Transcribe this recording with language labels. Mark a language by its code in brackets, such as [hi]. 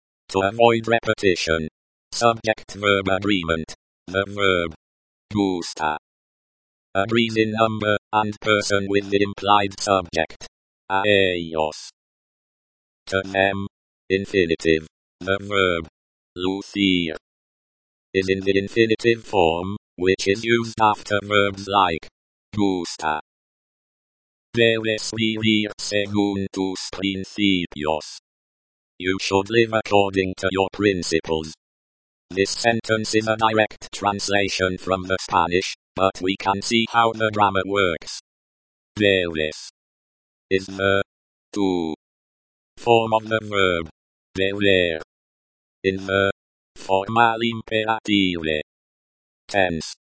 [en] To avoid repetition, subject-verb agreement, the verb, gusta, agrees in number and person with the implied subject, [es] a ellos. [en] To them, infinitive, the verb, lucir, is in the infinitive form, which is used after verbs like, gusta. [es] Debes vivir según tus principios. [en] You should live according to your principles. This sentence is a direct translation from the Spanish, but we can see how the grammar works. Debes is the tú form of the verb deber in the formal imperative tense.